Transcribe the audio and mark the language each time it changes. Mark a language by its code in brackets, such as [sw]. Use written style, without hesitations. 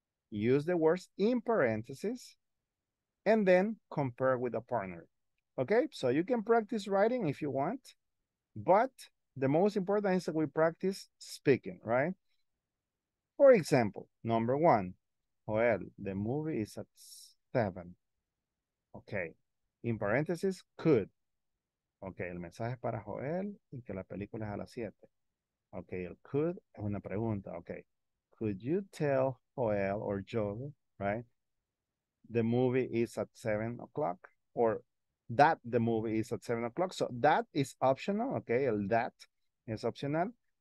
[en] Use the words in parentheses and then compare with a partner. Okay, so you can practice writing if you want, but the most important is that we practice speaking, right? For example, number one, Joel, the movie is at 7. Okay, in parentheses, could. [es] Okay, el mensaje para Joel y que la película es a las 7. Okay, el could es una pregunta. [en] Okay, could you tell Joel or Joel, right? The movie is at 7 o'clock or that the movie is at 7 o'clock. So that is optional, okay? El that is optional.